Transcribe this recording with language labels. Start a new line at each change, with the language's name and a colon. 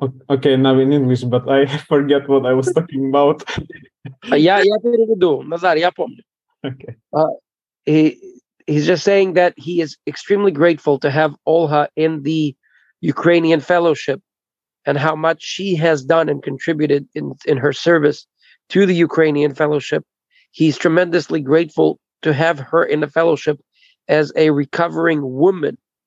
English: Окей, now in English, but I forget what I was talking about.
Russian: Я переведу, Назар, я помню. Окей.
English: He's just saying that he is extremely grateful to have Olha in the Ukrainian fellowship and how much she has done and contributed in her service to the Ukrainian fellowship. He's tremendously grateful to have her in the fellowship as a recovering woman.